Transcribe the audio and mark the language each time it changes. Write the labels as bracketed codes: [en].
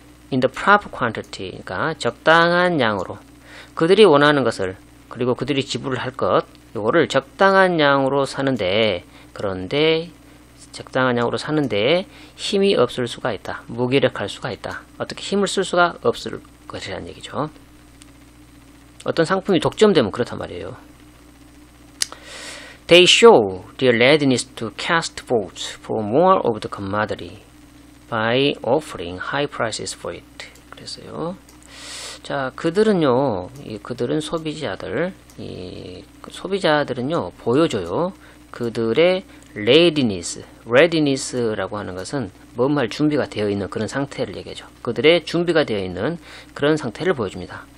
[en] In the proper quantity, [ko] 그러니까 적당한 양으로 그들이 원하는 것을 그리고 그들이 지불을 할 것, 이거를 적당한 양으로 사는데 그런데 적당한 양으로 사는데 힘이 없을 수가 있다. 무기력할 수가 있다. 어떻게 힘을 쓸 수가 없을 것이라는 얘기죠. 어떤 상품이 독점되면 그렇단 말이에요. [en] They show their readiness to cast votes for more of the commodity by offering high prices for it. [ko] 그랬어요. 자, 그들은요, 그들은 소비자들, 소비자들은요, 보여줘요. 그들의 readiness라고 하는 것은 뭔 말 준비가 되어 있는 그런 상태를 얘기하죠. 그들의 준비가 되어 있는 그런 상태를 보여줍니다.